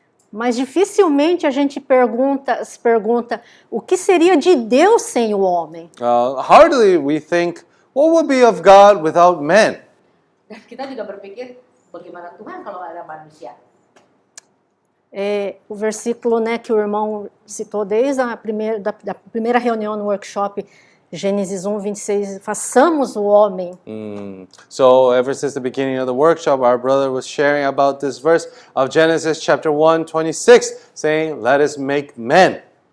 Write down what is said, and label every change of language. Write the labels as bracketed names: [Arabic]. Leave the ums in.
[Portuguese] mas dificilmente a gente pergunta se pergunta o que seria de Deus sem o homem [English] uh, hardly we think what would be of God without men [Portuguese] é Deus, é um é, o versículo né, que o irmão citou desde a primeira, da, da primeira reunião no workshop, Gênesis 1, 26, façamos o homem. Então, mm. [English] So, ever since the beginning of the workshop, our brother was sharing about this verse of Genesis chapter 1, 26, saying, let us make men.